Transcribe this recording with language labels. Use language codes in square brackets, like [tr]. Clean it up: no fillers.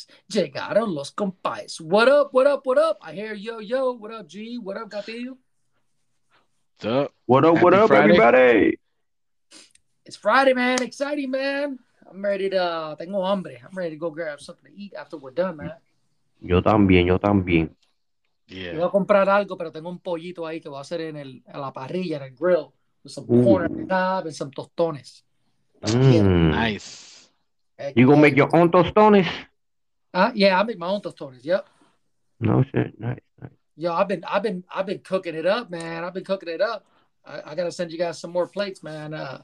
[es] Llegaron los compaes. [en] What up? I hear yo. What up, G? What up, Gatillo? What up, everybody? It's Friday, man. Exciting, man. I'm ready to, [es] tengo hambre. [en] I'm ready to go grab something to eat after we're done, man. [es] Yo también. [en] Yeah. [es] Voy a comprar algo, pero tengo un pollito ahí que voy a hacer en, el, en la parrilla, en el grill. [en] With some corn on top and some tostones. Yeah. Nice. You gonna make your own tostones? Yeah, I make my own tostones. Yep. No shit. Nice. Yo, I've been cooking it up, man. I've been cooking it up. I gotta send you guys some more plates, man.